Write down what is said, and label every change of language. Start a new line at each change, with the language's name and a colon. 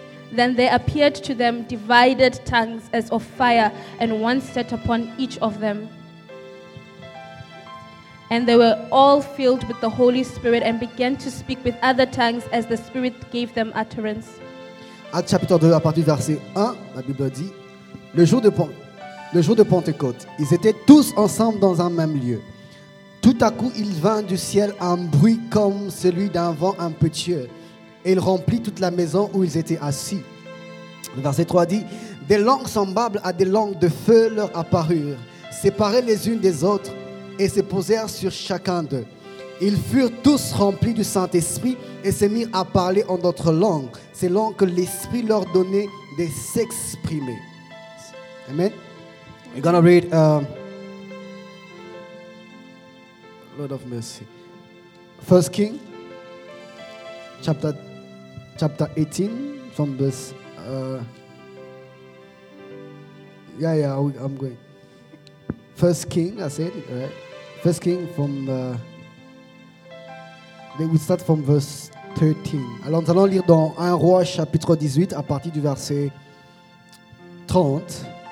English: Then there appeared to them divided tongues as of fire, and one set upon each of them. And they were all filled with the Holy Spirit and began to speak with other tongues as the Spirit gave them utterance.
French: Acte chapitre 2, à partir du verset 1, la Bible dit, le jour de Pentecôte, ils étaient tous ensemble dans un même lieu. Tout à coup, il vint du ciel un bruit comme celui d'un vent impétueux, et il remplit toute la maison où ils étaient assis. Le verset 3 dit, des langues semblables à des langues de feu leur apparurent, séparées les unes des autres, et se posèrent sur chacun d'eux. Ils furent tous remplis du Saint-Esprit et se mirent à parler en d'autres langues, selon que l'Esprit leur donnait de s'exprimer.
English: Amen. We're going to read Lord of Mercy. First King, chapter 18, from verse... I'm going. First King, I said, right? First King from they will start from verse 13.
French: Alors nous allons lire dans 1 Roi chapitre 18 à partir du verset 30.